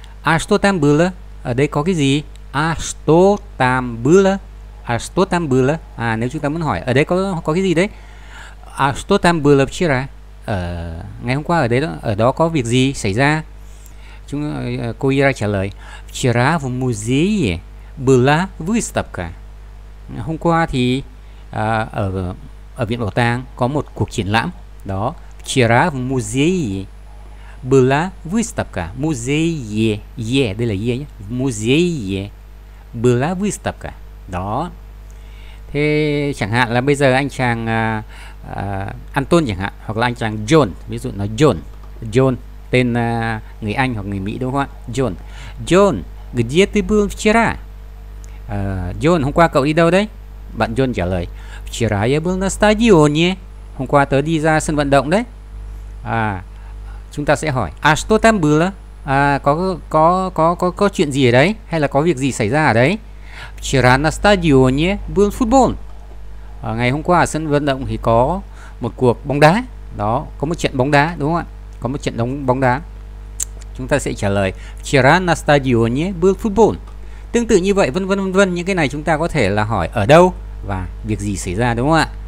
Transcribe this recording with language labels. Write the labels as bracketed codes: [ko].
[ru] А что там было? [vi] Ở đây có cái gì? [ru] А что там было? А что там было? [vi] Nếu chúng ta muốn hỏi ở đây có cái gì đấy? [ru] А что там было вчера? [vi] Ngày hôm qua ở đó có việc gì xảy ra? Cô Ира trả lời. [ru] Вчера в музее была выставка. [vi] Hôm qua thì ở viện bảo tàng có một cuộc triển lãm. Đó. [ru] Вчера в музее была выставка. [vi] Музее. Yeah, đây là yeah nhé. [ru] Музее была выставка. [vi] Đó. Thế chẳng hạn là bây giờ anh chàng Anton chẳng hạn, hoặc là anh chàng John, ví dụ nó John tên người Anh hoặc người Mỹ đúng không ạ? [ru] John, где ты был вчера? [vi] John, hôm qua cậu đi đâu đấy? Bạn John trả lời. [ru] Вчера я был на стадионе. [vi] Hôm qua tớ đi ra sân vận động đấy. Chúng ta sẽ hỏi. [ru] А что там было? [vi] Có chuyện gì ở đấy? Hay là có việc gì xảy ra ở đấy? [ru] Вчера на стадионе был футбол. [vi] Ngày hôm qua ở sân vận động thì có một cuộc bóng đá. Đó, có một trận bóng đá đúng không ạ? Có một trận bóng đá. Chúng ta sẽ trả lời. [ru] Вчера на стадионе был футбол. [vi] Tương tự như vậy, vân vân vân vân, những cái này chúng ta có thể là hỏi ở đâu và việc gì xảy ra, đúng không ạ?